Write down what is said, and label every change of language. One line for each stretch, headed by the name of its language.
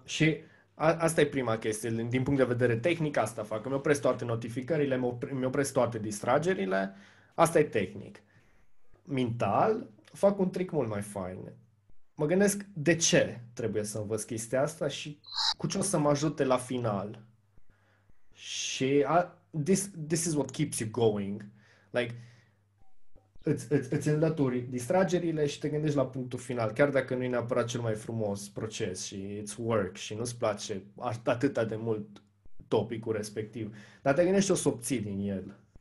Romanian: Și asta e prima chestie. Din punct de vedere tehnic, asta fac. Îmi opresc toate notificările, îmi opresc toate distragerile. Asta e tehnic. Mental, fac un trick mult mai fain. Mă gândesc de ce trebuie să învăț chestia asta și cu ce o să mă ajute la final. Și
English: this is what keeps you going. Like,
Romanian: îți înlături distragerile și te gândești la punctul final, chiar dacă nu e neapărat cel mai frumos proces și
English: it's work
Romanian: și nu-ți place atât de mult topicul respectiv. Dar te gândești o să obții din el.